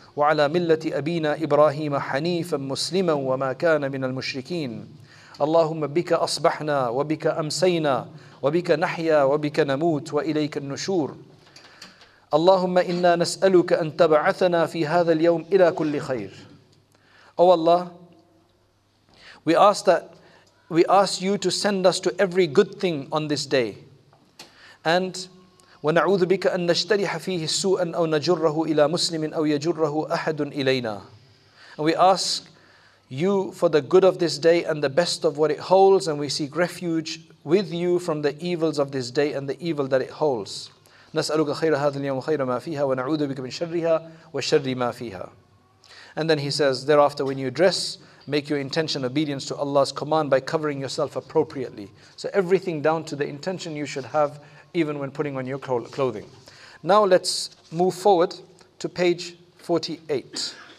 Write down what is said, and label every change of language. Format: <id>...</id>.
<ar>وعلى ملة أبينا إبراهيم حنيفا مسلما وما كان من المشركين اللهم بك أصبحنا وبك أمسينا وبك نحيا وبك نموت وإليك النشور اللهم إنا نسألك أن تبعثنا في هذا اليوم إلى كل خير.</ar> <en>Oh Allah, we ask you to send us to every good thing on this day.</en> <ar>And ونعوذ بك أن نشتريح فيه سوءا أو نجره إلى مسلم أو يجره أحد إلينا.</ar> <en>And we ask you for the good of this day and the best of what it holds, and we seek refuge with you from the evils of this day and the evil that it holds.</en> <ar>نسألك خير هذا اليوم وخير ما فيها ونعوذ بك من شرها وشر ما فيها.</ar> <en>And then he says, thereafter when you dress, make your intention obedience to Allah's command by covering yourself appropriately. So everything down to the intention you should have even when putting on your clothing. Now let's move forward to page 48.</en>